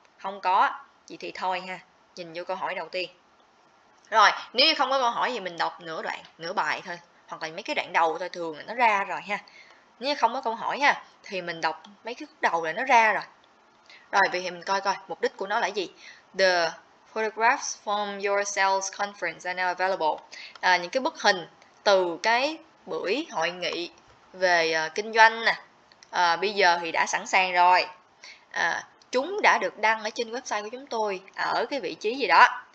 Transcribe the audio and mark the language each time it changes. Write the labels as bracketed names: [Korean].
[Vietnamese] Không có, vậy thì thôi ha, nhìn vô câu hỏi đầu tiên. Rồi, nếu như không có câu hỏi thì mình đọc nửa đoạn, nửa bài thôi, hoặc là mấy cái đoạn đầu thôi, thường là nó ra rồi ha. Nếu như không có câu hỏi ha, thì mình đọc mấy cái khúc đầu là nó ra rồi. Rồi, vậy thì mình coi coi, mục đích của nó là gì? [English] The photographs from your sales conference are now available. [Vietnamese] À, những cái bức hình từ cái buổi hội nghị về kinh doanh nè, bây giờ thì đã sẵn sàng rồi. À, chúng đã được đăng ở trên website của chúng tôi, ở cái vị trí gì đó.